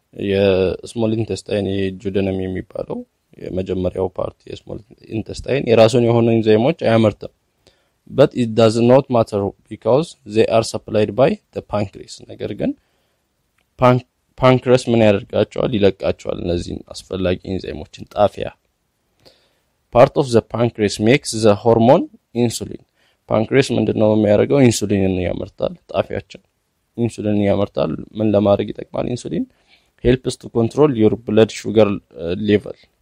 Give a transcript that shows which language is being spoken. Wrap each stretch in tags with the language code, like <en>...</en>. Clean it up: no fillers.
<am>የስሞል ኢንተስታይን የጁደንም የሚባለው የመጀመሪያው ፓርት የስሞል ኢንተስታይን የራሱን የሆነ ኢንዛይሞች አያመርተም።</am> <en>but it does not matter because they are supplied by the pancreas.</en> <am>ነገር ግን pancreas ምን ያደርጋቸዋል? ይለቃቸዋል እነዚህን አስፈላጊ ኢንዛይሞችን ጣፊያ።</am> <en>part of the pancreas makes the hormone insulin.</en> <am>pancreas ምንድነው የሚያደርገው? ኢንሱሊንን ያመርታል። ጣፊያቸው ኢንሱሊንን ያመርታል። ምን ለማድረግ ይጠቅማል ኢንሱሊን?</am> <en>helps to control your blood sugar level.</en>